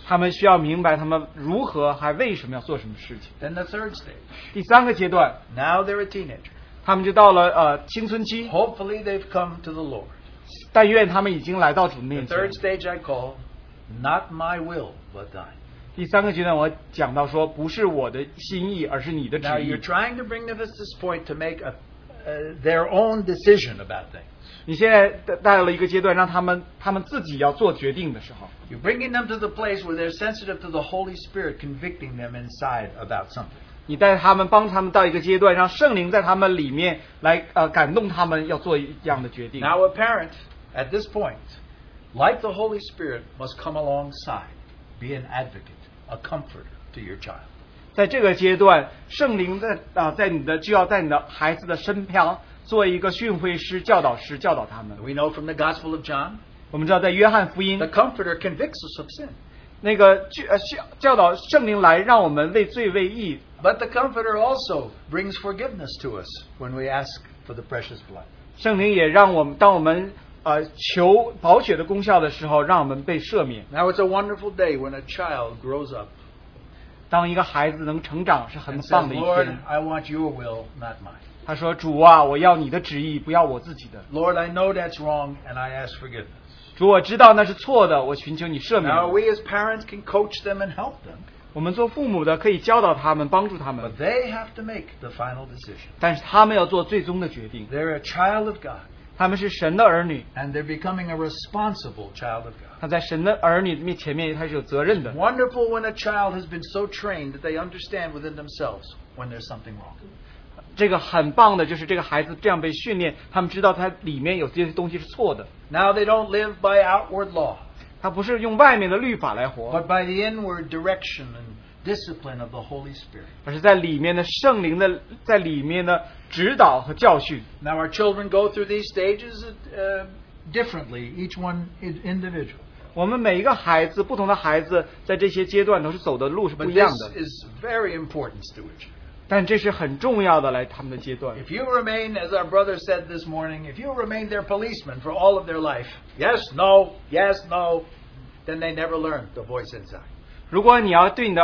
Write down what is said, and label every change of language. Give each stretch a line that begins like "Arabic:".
Chinese: 他们需要明白他们如何, 还为什么要做什么事情。
English: Then the third stage.
Chinese: 第三个阶段,
English: now they're a teenager.
Chinese: 他们就到了, 青春期。
English: Hopefully they've come to the Lord.
Chinese: 但愿他们已经来到主面前。
English: The third stage I call, not my will, but thine.
Chinese: 第三个阶段我讲到说, 不是我的心意, 而是你的旨意。
English: Now you're trying to bring them to this point to make a their own decision about things. You're bringing them to the place where they're sensitive to the Holy Spirit convicting them inside about something. Now a parent, at this point, like the Holy Spirit, must come alongside, be an advocate, a comforter to your child.
Chinese: 在这个阶段, 圣灵在你的孩子的身旁做一个训诲师, 教导师, 教导他们。
English: We know from the Gospel of John,
Chinese: 我们知道在约翰福音,
English: the Comforter convicts us of sin.
Chinese: 教导圣灵来让我们为罪为义,
English: but the Comforter also brings forgiveness to us when we ask for the precious blood.
Chinese: 圣灵也让我们, 当我们, 求宝血的功效的时候, 让我们被赦免。
English: Now it's a wonderful day when a child grows up.
Chinese: 当一个孩子能成长是很棒的一天
English: Lord, I want your will, not mine.
Chinese: 他说, 主啊, 我要你的旨意, 不要我自己的。
English: Lord, I know that's wrong, and I ask forgiveness.
Chinese: 主, 我知道那是错的, 我寻求你赦免。
English: Now, we as parents can coach them and help them.
Chinese: 我们做父母的, 可以教导他们, 帮助他们。
English: But they have to make the final decision.
Chinese: 但是他们要做最终的决定。
English: They're a child of God.
Chinese: 他们是神的儿女,
English: and they're becoming a responsible child of God.
Chinese: 他在神的儿女前面, 他是有责任的。
English: It's wonderful when a child has been so trained that they understand within themselves when there's something wrong.
Chinese: 这个很棒的就是这个孩子这样被训练，他们知道他里面有些东西是错的。
English: Now they don't live by outward law.
Chinese: 他不是用外面的律法来活。
English: But by the inward direction and discipline of the Holy Spirit.
Chinese: 而是在里面的圣灵的指导和教训。
English: Now our children go through these stages differently, each one individual.
Chinese: 我们每一个孩子，不同的孩子在这些阶段都是走的路是不一样的。
English: But this is very important stewardship.
Chinese: 但这是很重要的来他们的阶段。
English: If you remain, as our brother said this morning, if you remain their policeman for all of their life, yes, no, then they never learn the voice inside.